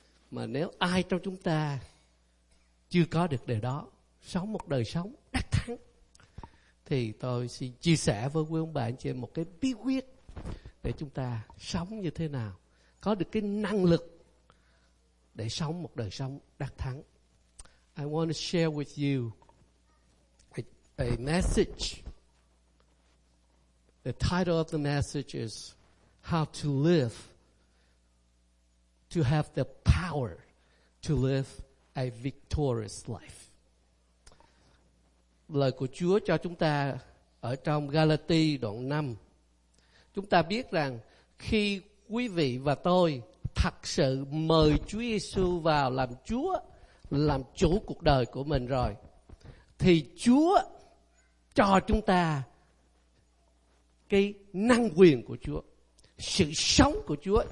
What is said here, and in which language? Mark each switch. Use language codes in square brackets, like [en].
[vi] Mà nếu ai trong chúng ta chưa có được điều đó, sống một đời sống đắc thắng, thì tôi xin chia sẻ với quý ông bà anh chị em một cái bí quyết để chúng ta sống như thế nào, có được cái năng lực để sống một đời sống đắc thắng. [en] I want to share with you a message. The title of the message is How to Live, to Have the Power to Live a Victorious Life. [vi] Lời của Chúa cho chúng ta ở trong Galati đoạn 5. Chúng ta biết rằng khi quý vị và tôi thật sự mời Chúa Giêsu vào làm Chúa, làm chủ cuộc đời của mình rồi, thì Chúa cho chúng ta cái năng quyền của Chúa, sự sống của Chúa.